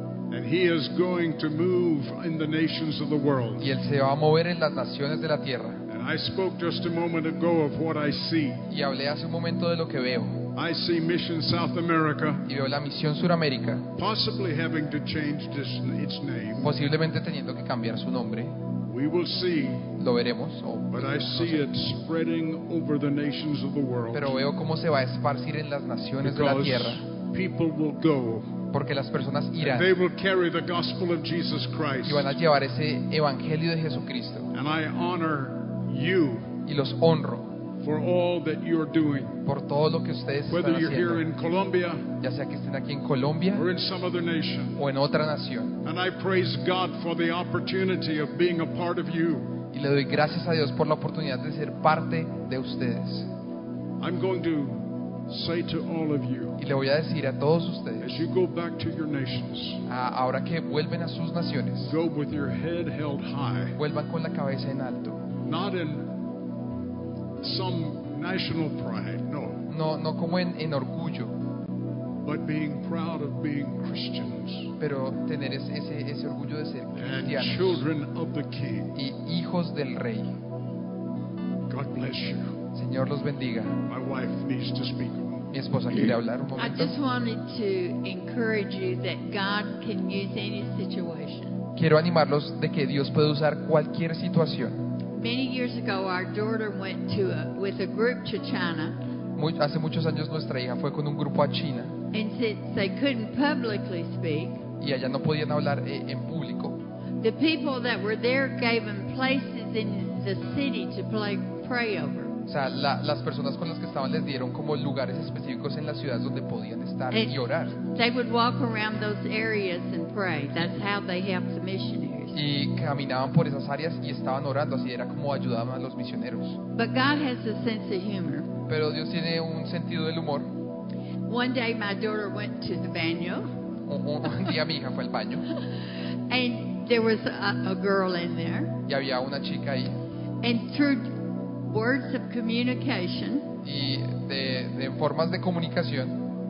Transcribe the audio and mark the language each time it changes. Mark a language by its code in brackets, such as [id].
[en] And He is going to move in the nations of the world. [es] Y Él se va a mover en las naciones de la tierra. [en] And I spoke just a moment ago of what I see. [es] Y hablé hace un momento de lo que veo. [en] I see Mission South America. [es] Y veo la Misión Suramérica. [en] Possibly having to change its name. [es] Posiblemente teniendo que cambiar su nombre. [en] We will see. [es] Lo veremos. [en] But I see it spreading over the nations of the world. [es] Pero veo cómo se va a esparcir en las naciones de la tierra. [en] People will go. [es] Porque las personas irán. [en] They will carry the gospel of Jesus Christ. [es] Y van a llevar ese evangelio de Jesucristo. [en] And I honor you. [es] Y los honro. [en] For all that you're doing. [es] Por todo lo que ustedes están haciendo. [en] Whether you're here in Colombia. [es] Ya sea que estén aquí en Colombia. [en] Or in some other nation. [es] O en otra nación. [en] And I praise God for the opportunity of being a part of you. [es] Y le doy gracias a Dios por la oportunidad de ser parte de ustedes. [en] I'm going to say to all of you. [es] Y le voy a decir a todos ustedes. [en] As you go back to your nations. [es] Ahora que vuelven a sus naciones. [en] Go with your head held high. [es] Vuelvan con la cabeza en alto. [en] Not in some national pride, no. [es] No como en orgullo. [en] But being proud of being Christians. [es] Pero tener ese orgullo de ser cristianos. [en] And children of the King. [es] Y hijos del Rey. [en] God bless you. [es] Señor los bendiga. [en] My wife needs to speak. [es] Mi esposa quiere hablar un momento. [en] I just wanted to encourage you that God can use any situation. [es] Quiero animarlos de que Dios puede usar cualquier situación. [en] Many years ago, our daughter went with a group to China. [es] Hace muchos años nuestra hija fue con un grupo a China. [en] And since they couldn't publicly speak, [es] y allá no podían hablar en público. [en] The people that were there gave them places in the city to pray over. [es] O sea, las personas con las que estaban les dieron como lugares específicos en las ciudades donde podían estar y orar. [en] They would walk around those areas and pray. That's how they helped the missionaries. [es] Y caminaban por esas áreas y estaban orando, así era como ayudaban a los misioneros. [en] But God has a sense of humor. [es] Pero Dios tiene un sentido del humor. [en] One day my daughter went to the baño. [es] Un día mi hija fue al baño. [en] And there was a girl in there. [es] Y había una chica ahí. [en] And through words of communication. [es] Y de formas de comunicación.